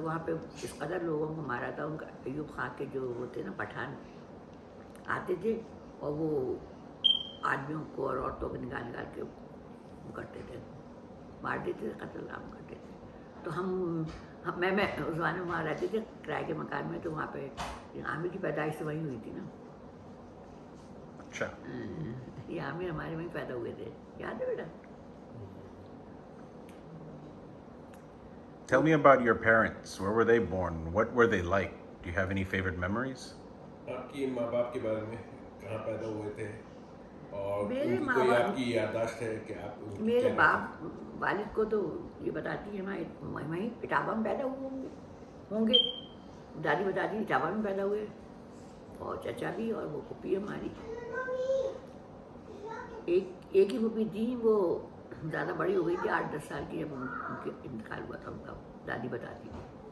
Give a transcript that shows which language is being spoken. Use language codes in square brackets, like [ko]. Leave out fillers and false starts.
[hi] तो वहाँ पे इस कदर लोगों को मारा था, उनका अयूब खां के जो होते ना पठान आते थे और वो आदमियों को और औरतों को निकाल निकाल के करते थे, मार देते थे, कतलाम करते थे। तो मैं उस जमाने में वहाँ रहते थे किराए के मकान में, तो वहाँ पे आमिर की पैदाइश तो वहीं हुई थी ना। अच्छा, ये आमिर हमारे वहीं पैदा हुए थे, याद है बेटा? [en] Tell me about your parents. Where were they born? What were they like? Do you have any favorite memories? [hi] आपकी माँ बाप के बारे में, कहाँ पैदा हुए थे और कोई आपकी याददाश्त है कि आप उनकी? मेरे बाप वालिद को तो ये बताती है, मैं वहीं इटावा में पैदा हुए होंगे, दादी बताती इटावा में पैदा हुए, और चाचा भी, और वो फूफी हमारी, एक ही फूफी थी, वो ज़्यादा बड़ी हो गई थी 8-10 साल की जब उनके इंतकाल हुआ था, उनका दादी बताती थी।